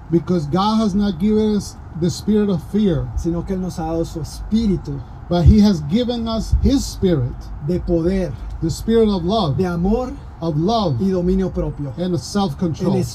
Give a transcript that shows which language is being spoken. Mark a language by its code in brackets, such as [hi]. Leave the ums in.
[en] Because God has not given us the spirit of fear. [es] Sino que Él nos ha dado su espíritu. [en] but he has given us his spirit [es] de poder [en] the spirit of love [es] de amor [en] of love and self control.